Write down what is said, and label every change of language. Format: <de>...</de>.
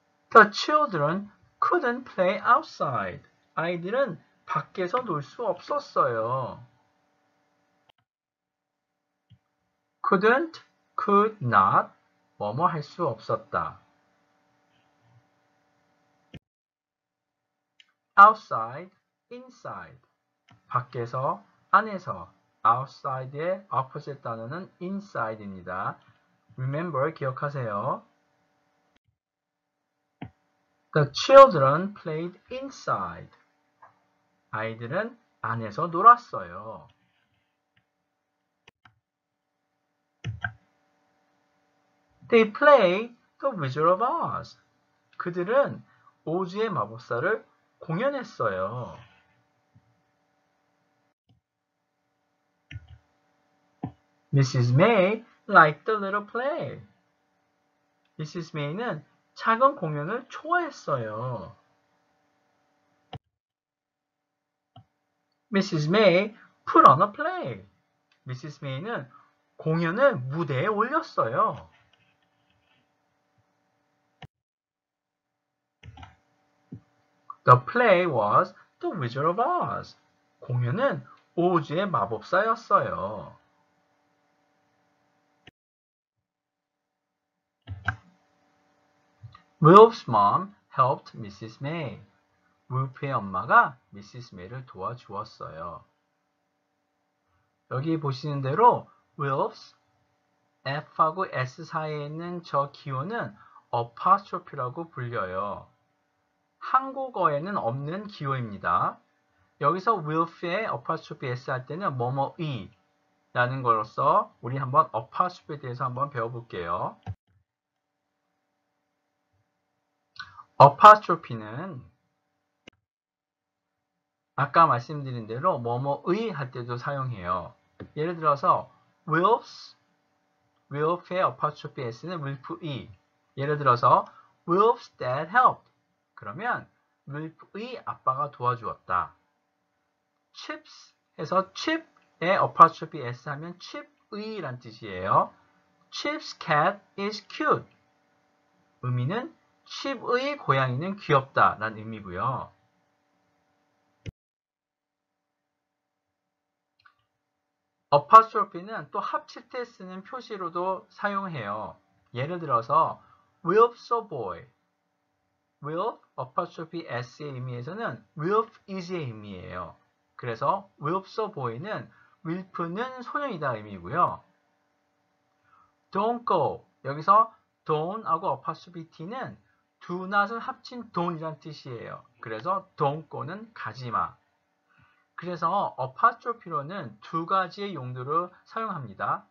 <en>The children couldn't play outside.</en> <ko>아이들은 밖에서 놀수 없었어요.</ko> <en>Couldn't, could not,</en> <ko>뭐뭐 할 수 없었다.</ko> <en>Outside, inside.</en> <ko>밖에서, 안에서, outside의 opposite 단어는 inside입니다.</ko> <en>Remember,</en> <ko>기억하세요.</ko> <en>The children played inside.</en> <ko>아이들은 안에서 놀았어요.</ko> <en>They played the Wizard of Oz.</en> <ko>그들은 오즈의 마법사를 공연했어요.</ko> <en>Mrs. May liked the little play. Mrs.</en> <ko>May는 작은 공연을 좋아했어요.</ko> <en>Mrs. May put on a play. Mrs.</en> <ko>May는 공연을 무대에 올렸어요.</ko> <en>The play was The Wizard of Oz.</en> <ko>공연은 오즈의 마법사였어요.</ko> <en>Wilf's mom helped Mrs. May.</en> <ko>Wilf의 엄마가</ko> <en>Mrs.</en> <ko>May를 도와주었어요. 여기 보시는 대로 Wilf's F하고 S 사이에 있는 저 기호는 apostrophe라고 불려요. 한국어에는 없는 기호입니다. 여기서 Wilf의 apostrophe S 할 때는 뭐뭐이 라는 거로서 우리 한번 apostrophe에 대해서 한번 배워볼게요. apostrophe는 아까 말씀드린 대로 뭐뭐의 할 때도 사용해요. 예를 들어서 Wilf의 apostrophe s는 Wilf의.</ko> <en>예를 들어서 Wilf's dad helped.</en> <ko>그러면 Wilf의 아빠가 도와주었다. Chips 해서 Chip의 apostrophe s 하면 Chip의 란 뜻이에요.</ko> <en>Chip's cat is cute.</en> <ko>의미는 칩의 고양이는 귀엽다 라는 의미고요. apostrophe는 또 합칠 때 쓰는 표시로도 사용해요. 예를 들어서</ko> <en>Wilf's a boy.</en> <ko>Wilf apostrophe s의 의미에서는 Wilf is의 의미예요. 그래서 Wilf's a boy는 Wilf는 소년이다 의미고요.</ko> <en>Don't go.</en> <ko>여기서 don't하고 apostrophe t는 두 낫을 합친 don't이란 뜻이에요. 그래서</ko> <en>don't go</en> <ko>는 가지마. 그래서 apostrophe로는 두 가지의 용도로 사용합니다.</ko>